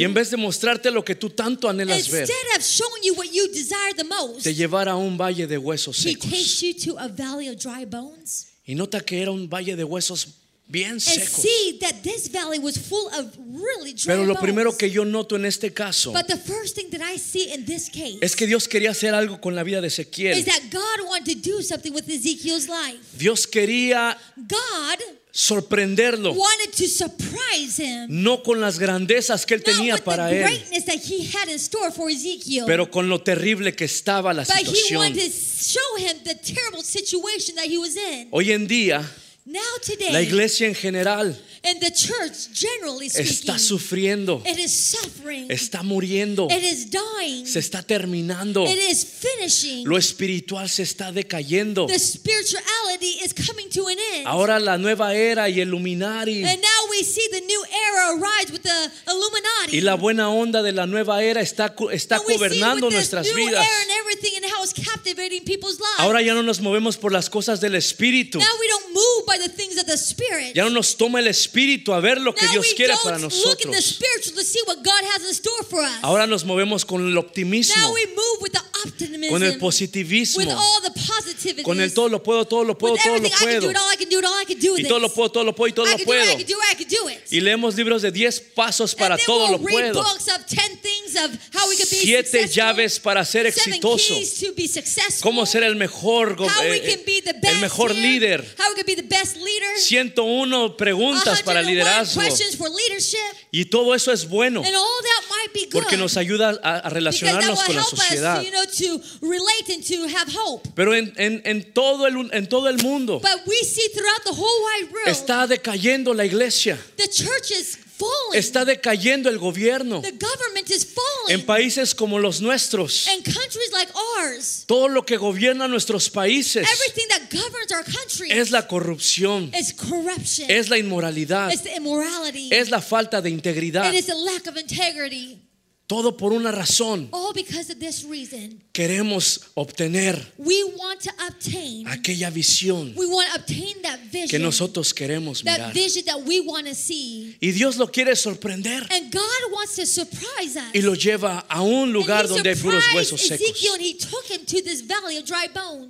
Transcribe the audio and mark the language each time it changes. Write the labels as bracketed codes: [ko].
[es] y en vez de mostrarte lo que tú tanto anhelas ver, [en] instead of showing you what you desire the most, [es] te llevara a un valle de huesos secos. [en] He takes you to a valley of dry bones. [es] Y nota que era un valle de huesos bien secos. [en] And see that this valley was full of really dry bones. [es] Pero lo primero que yo noto en este caso, [en] but the first thing that I see in this case, [es] es que Dios quería hacer algo con la vida de Ezequiel. [en] Is that God wanted to do something with Ezekiel's life. [es] Dios quería, [en] God [es] sorprenderlo, [en] wanted to surprise him, [es] no con las grandezas que él tenía para él, [en] Ezekiel, [es] pero con lo terrible que estaba la situación. [en] But he wanted to show him the terrible situation that he was in. [es] Hoy en día, [en] now today, [es] la iglesia en general, [en] and the church generally speaking, [es] está sufriendo, [en] it is suffering, [es] está muriendo, [en] it is dying, [es] se está terminando, [en] it is finishing, [es] lo espiritual se está decayendo, [en] the spirituality is coming to an end. [es] Ahora la nueva era y Illuminati, [en] and now we see the new era arise with the Illuminati, [es] y la buena onda de la nueva era está gobernando nuestras vidas. [en] And everything and how it's captivating people's lives. [es] Ahora ya no nos movemos por las cosas del espíritu. [en] Now we don't move by the things of the spirit. [es] Ya no nos toma el espíritu a ver lo [en] now [es] que Dios quiere para nosotros. [en] Now we don't look in the spiritual to see what God has in store for us. [es] Ahora nos movemos con el optimismo. [en] Now we move with the optimism. [es] Con el positivismo. [en] With all the positivity. [es] Con el todo lo puedo, todo lo puedo, todo lo puedo. [en] With everything I can do it all, I can do it all, I can do [es] it. Y todo lo puedo, todo lo puedo y todo lo puedo. [en] I can do it, I can do it. [es] Y leemos libros de 10 pasos para todo lo puedo. [en] And then we'll read books of 10 things of how we could be [es] 7 llaves para ser exitoso. [en] 7 keys to be successful. [es] Cómo ser el mejor, el mejor líder. [en] How we can be the best leader. [es] 101 preguntas para liderazgo. [en] Questions for leadership. [es] Y todo eso es bueno. [en] And all that might might be good. [es] Porque nos ayuda a relacionarnos con la sociedad. [en] Because that will help us, you know, to relate and to have hope. [es] Pero en todo el mundo. [en] But we see throughout the whole wide world. [es] Está decayendo la iglesia. [en] The church is falling. [es] Está decayendo el gobierno. [en] The government is falling. [es] En países como los nuestros. [en] And countries like ours. [es] Todo lo que gobierna nuestros países. [en] Everything that governs our countries. [es] Es la corrupción. [en] Is corruption. [es] Es la inmoralidad. [en] It's the immorality. [es] Es la falta de integridad. [en] It is the lack of integrity. [es] Todo por una razón. [en] All because of this reason. [es] Queremos obtener. [en] We want to obtain. [es] Aquella visión. [en] We want to obtain that vision. [es] Que nosotros queremos mirar. [en] That vision that we want to see. [es] Y Dios lo quiere sorprender. [en] And God wants to surprise us. [es] Y lo lleva a un lugar donde hay puros huesos secos. [en] Ezekiel, and he took him to this valley of dry bones.